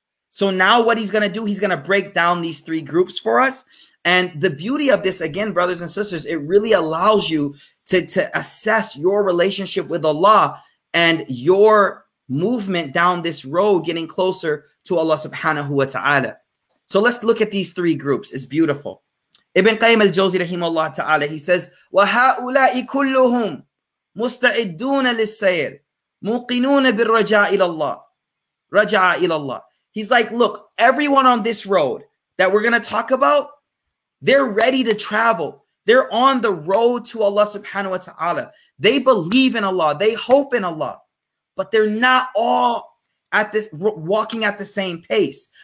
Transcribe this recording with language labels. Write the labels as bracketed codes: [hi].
[en] So now what he's going to do, he's going to break down these three groups for us. And the beauty of this, again, brothers and sisters, it really allows you to assess your relationship with Allah and your movement down this road, getting closer to Allah subhanahu wa ta'ala. So let's look at these three groups. It's beautiful. Ibn Qayyim al-Jawzi rahimahullah ta'ala, he says, [ar] وَهَؤُلَاءِ كُلُّهُمْ مُسْتَعِدُّونَ لِلسَّيْرِ مُقِنُونَ بِالرَّجَاءِ إِلَى اللَّهِ رَجَاءَ إِلَى اللَّهِ. [en] He's like, look, everyone on this road that we're going to talk about, they're ready to travel. They're on the road to Allah subhanahu wa ta'ala. They believe in Allah. They hope in Allah. But they're not all at this walking at the same pace.